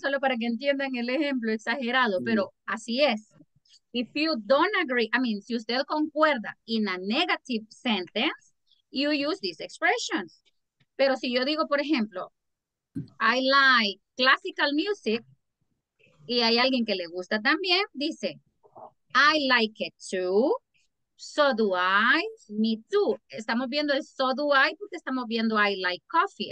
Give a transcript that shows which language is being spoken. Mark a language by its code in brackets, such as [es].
[es] Solo para que entiendan el ejemplo exagerado, pero así es. [en] If you don't agree, I mean, [es] si usted concuerda [en] in a negative sentence, you use these expressions. [es] Pero si yo digo, por ejemplo, [en] I like classical music, [es] y hay alguien que le gusta también, dice, [en] I like it too, so do I, me too. [es] Estamos viendo el [en] so do I [es] porque estamos viendo [en] I like coffee.